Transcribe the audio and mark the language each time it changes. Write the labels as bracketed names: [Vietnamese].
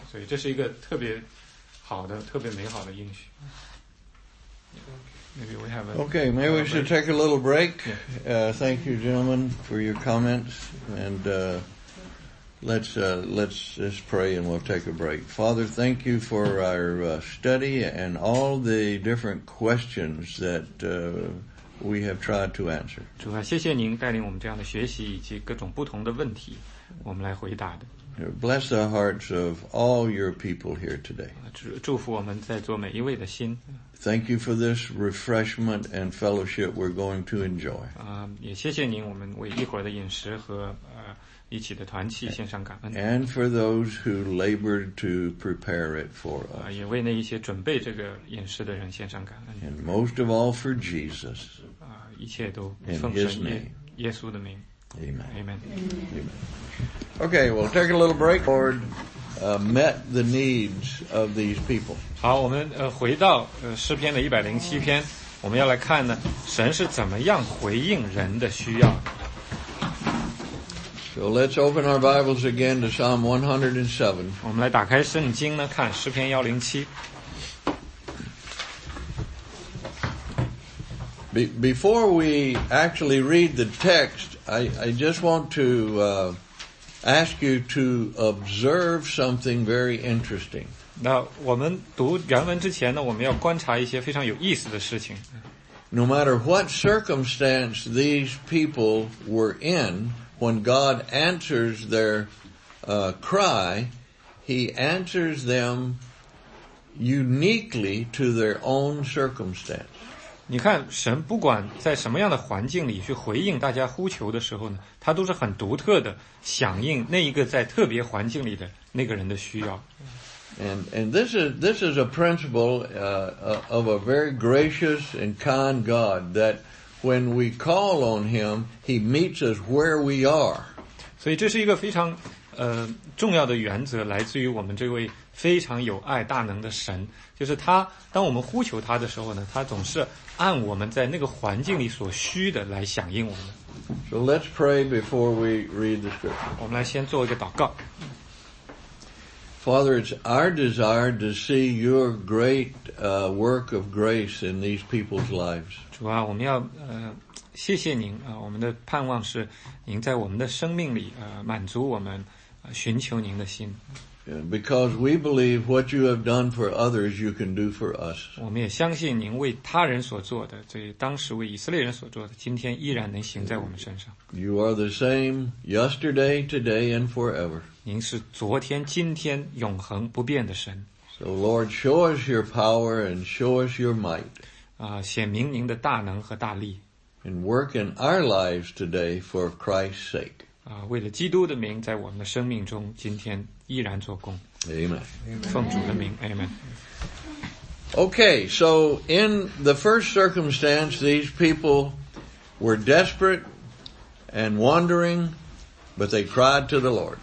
[Chinese] 所以这是一个特别好的、特别美好的应许。 [English] Okay, maybe we should take a little break. Thank you, gentlemen, for your comments. And let's just pray and we'll take a break. Father, thank you for our study and all the different questions that we have tried to answer. [Chinese] 主啊，谢谢您带领我们这样的学习以及各种不同的问题，我们来回答的。 [English] Bless the hearts of all your people here today. [Chinese] 祝福我们在座每一位的心。 [English] Thank you for this refreshment and fellowship we're going to enjoy. [Chinese] 也谢谢您，我们为一会儿的饮食和一起的团契献上感恩。 [English] And for those who labored to prepare it for us. [Chinese] 也为那一些准备这个饮食的人献上感恩。 [English] And most of all for Jesus. [Chinese] 一切都奉神名，耶稣的名。 [English] Amen. Amen. Amen. Okay, we'll take a little break. Lord, met the needs of these people. [Chinese] 好，我们回到诗篇的107篇，我们要来看呢，神是怎么样回应人的需要。 [English] So let's open our Bibles again to Psalm 107. [Chinese] 我们来打开圣经呢，看诗篇107。 [English] Before we actually read the text, I just want to ask you to observe something very interesting. [Chinese] 那我们读原文之前呢，我们要观察一些非常有意思的事情。 [English] No matter what circumstance these people were in, when God answers their cry, he answers them uniquely to their own circumstance. [Chinese] 你看，神不管在什么样的环境里去回应大家呼求的时候呢，他都是很独特的响应那一个在特别环境里的那个人的需要。 [English] And this is a principle of a very gracious and kind God that when we call on Him, He meets us where we are. [Chinese] 所以这是一个非常重要的原则，来自于我们这位非常有爱大能的神，就是他当我们呼求他的时候呢，他总是按我们在那个环境里所需的来响应我们。 [English] So let's pray before we read the scripture. [Chinese] 我们来先做一个祷告。 [English] Father, it's our desire to see your great work of grace in these people's lives. [Chinese] 主啊，我们要谢谢您啊，我们的盼望是您在我们的生命里满足我们寻求您的心。 [English] Because we believe what you have done for others, you can do for us. [Chinese] 我们也相信您为他人所做的，这当时为以色列人所做的，今天依然能行在我们身上。 [English] You are the same yesterday, today, and forever. [Chinese] 您是昨天、今天、永恒不变的神。 [English] So Lord, show us your power and show us your might. [Chinese] 显明您的大能和大力。 [English] And work in our lives today for Christ's sake. [Chinese] 为了基督的名，在我们的生命中，今天依然做工。 [English] Amen. [Chinese] 奉主的名 ，Amen. [English] Okay, so in the first circumstance, these people were desperate and wandering, but they cried to the Lord.